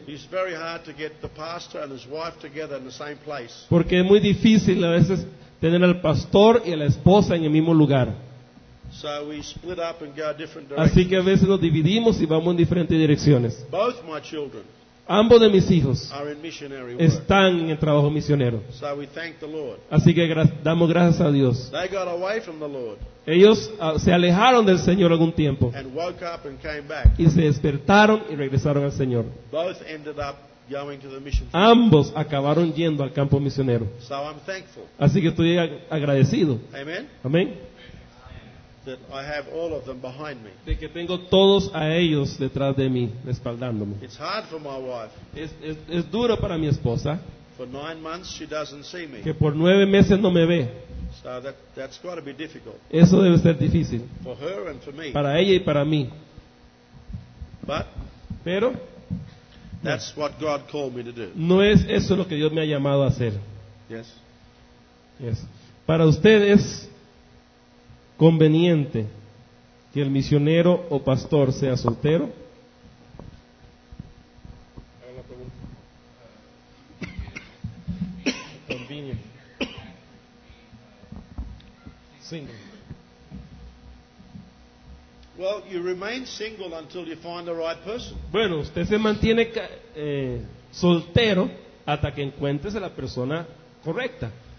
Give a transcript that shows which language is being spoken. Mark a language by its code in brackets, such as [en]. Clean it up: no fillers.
[en] It's very hard to get the pastor and his wife together in the same place. [es] Porque es muy difícil a veces tener al pastor y a la esposa en el mismo lugar. [en] So we split up and go different directions. [es] Así que a veces nos dividimos y vamos en diferentes direcciones. [en] Both my children. [es] Ambos de mis hijos [en] are in missionary work. [es] Están en el trabajo misionero. [en] So we thank the Lord. [es] Así que damos gracias a Dios. [en] They got away from the Lord. [es] Ellos se alejaron del Señor algún tiempo. [en] And woke up and came back. [es] Y se despertaron y regresaron al Señor. [en] Both ended up going to the mission field. [es] Ambos acabaron yendo al campo misionero. [en] So I'm thankful. [es] Así que estoy agradecido. [en] Amen. [es] Amén. [en] That I have all of them behind me. [es] De que tengo todos a ellos detrás de mí, respaldándome. [en] It's hard for my wife. [es] Es duro para mi esposa. [en] For 9 months she doesn't see me. [es] Que por 9 meses no me ve. [en] So that's got to be difficult. [es] Eso debe ser difícil. [en] For her and for me. [es] Para ella y para mí. [en] But. [es] Pero. [en] That's what God called me to do. [es] No es eso lo que Dios me ha llamado a hacer. [en] Yes. Yes. [es] Para ustedes. ¿Conveniente que el misionero o pastor sea soltero? [en] Convenient. Single. Well, you remain single until you find the right person. [es] Bueno, usted se mantiene soltero hasta que encuentres a la persona correcta.